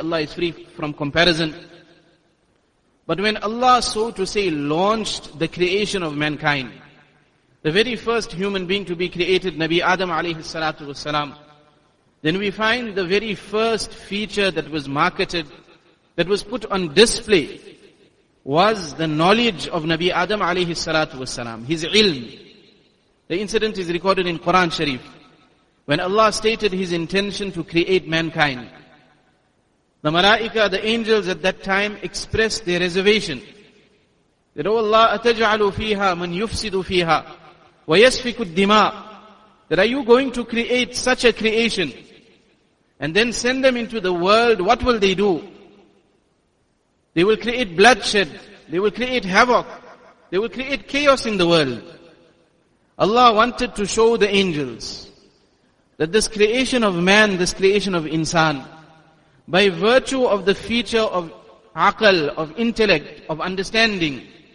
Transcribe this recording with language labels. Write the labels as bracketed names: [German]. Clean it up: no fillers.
[English] Allah is free from comparison. But when Allah, so to say, launched the creation of mankind, the very first human being to be created, Nabi Adam alayhi salatu wasalam, then we find the very first feature that was marketed, that was put on display, was the knowledge of Nabi Adam alayhi salatu wasalam, his ilm. The incident is recorded in Quran Sharif. When Allah stated his intention to create mankind, the malaika, the angels at that time, expressed their reservation. That, O Allah, [Arabic] أَتَجْعَلُ فِيهَا مَنْ يُفْسِدُ فِيهَا وَيَسْفِكُ الدِّمَاءِ. [English] That, are you going to create such a creation and then send them into the world? What will they do? They will create bloodshed. They will create havoc. They will create chaos in the world. Allah wanted to show the angels that this creation of man, this creation of insan, by virtue of the feature of aql, of intellect, of understanding,